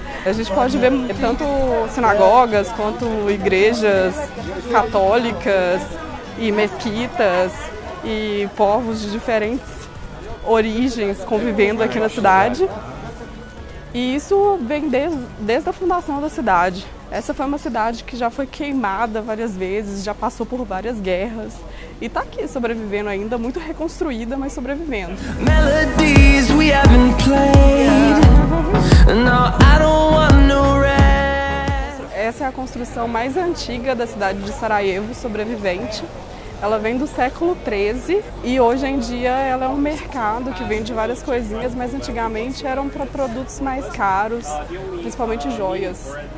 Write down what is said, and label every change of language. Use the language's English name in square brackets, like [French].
[Portuguese] A gente pode ver tanto sinagogas quanto igrejas católicas e mesquitas e povos de diferentes origens convivendo aqui na cidade. E isso vem desde a fundação da cidade. Essa foi uma cidade que já foi queimada várias vezes, já passou por várias guerras e está aqui sobrevivendo ainda, muito reconstruída, mas sobrevivendo. [English] Melodies we haven't played. No, I don't want no rest. [Portuguese] Essa é a construção mais antiga da cidade de Sarajevo, sobrevivente. Ela vem do século 13 e hoje em dia ela é um mercado que vende várias coisinhas, mas antigamente eram para produtos mais caros, principalmente joias.